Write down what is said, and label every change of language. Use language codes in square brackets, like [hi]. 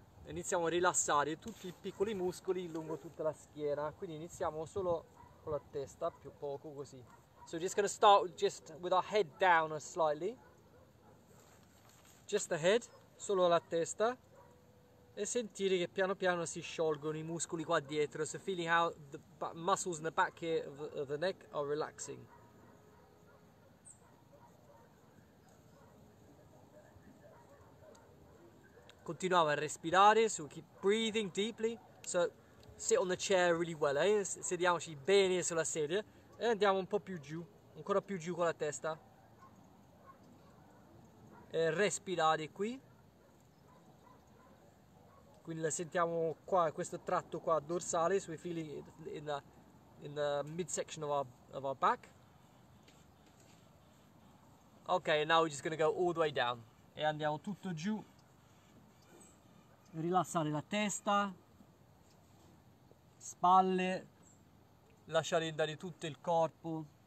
[it] iniziamo a rilassare tutti i piccoli muscoli lungo tutta la schiena. Quindi iniziamo solo con la testa, più poco così. [en] So we're just gonna start just with our head down slightly. Just the head, [it] solo la testa. E sentire che piano piano si sciolgono i muscoli qua dietro. [en] So feeling how the muscles in the back here of the neck are relaxing. [it] Continuiamo a respirare, [en] so keep breathing deeply. So sit on the chair really well, eh? [it] Sediamoci bene sulla sedia e andiamo un po' più giù, ancora più giù con la testa. E respirare qui. Quindi la sentiamo qua, questo tratto qua dorsale, [en] so we're feeling it in the midsection of our back. Ok, now we're just gonna go all the way down. [it] E andiamo tutto giù. Rilassare la testa, spalle, lasciare andare tutto il corpo.